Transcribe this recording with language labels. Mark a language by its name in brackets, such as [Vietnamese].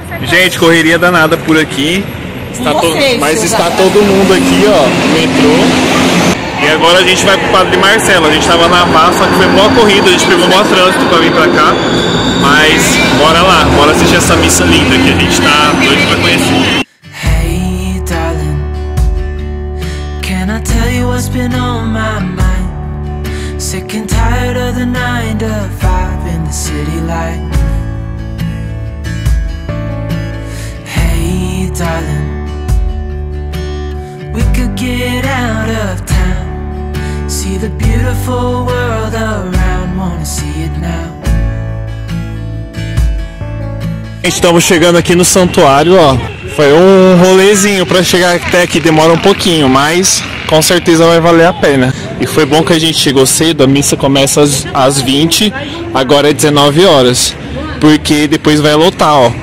[Portuguese] Gente, correria danada por aqui. Está todo mundo aqui, ó, no metrô. E agora a gente vai pro Padre Marcelo. A gente tava na Vá, só que foi boa corrida. A gente pegou maior trânsito pra vir pra cá. Mas bora lá, bora assistir essa missa linda que a gente tá doido pra conhecer. [English] Hey, darling, can I tell you what's been on my mind? Sick and tired of the 9-to-5 in the city light. Hey, darling, we could get out of town, see the beautiful world around, wanna see it now. [Portuguese] Estamos chegando aqui no santuário, ó. Foi um rolezinho pra chegar até aqui, demora um pouquinho, mas com certeza vai valer a pena. E foi bom que a gente chegou cedo, a missa começa às 20, agora é 19 horas, porque depois vai lotar, ó.